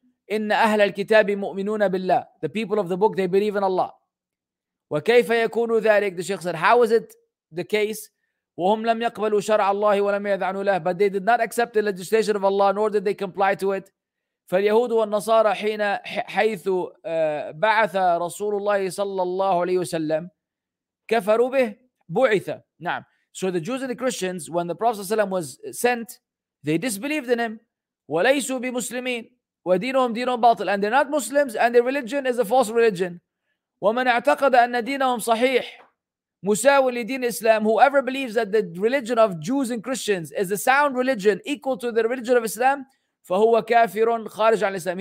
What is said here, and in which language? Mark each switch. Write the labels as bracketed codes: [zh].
[ar] إن أهل الكتاب مؤمنون بالله. [en] The people of the book, they believe in Allah. [ar] وكيف يكون ذلك؟ [en] The Sheikh said, how is it the case? [ar] وهم لم يقبلوا شرع الله ولم يذعنوا له. [en] But they did not accept the legislation of Allah, nor did they comply to it. [ar] فاليهود والنصارى حين حيث بعث رسول الله صلى الله عليه وسلم كفروا به بعث. نعم. [en] So the Jews and the Christians, when the Prophet ﷺ was sent, they disbelieved in him. [ar] وليسوا بمسلمين. ودينهم دين باطل, [en] and they're not Muslims, and their religion is a false religion. [ar] ومن اعتقد أن دينهم صحيح مساو لدين الإسلام, [en] whoever believes that the religion of Jews and Christians is a sound religion equal to the religion of Islam, [ar] فهو كافر خارج عن الإسلام.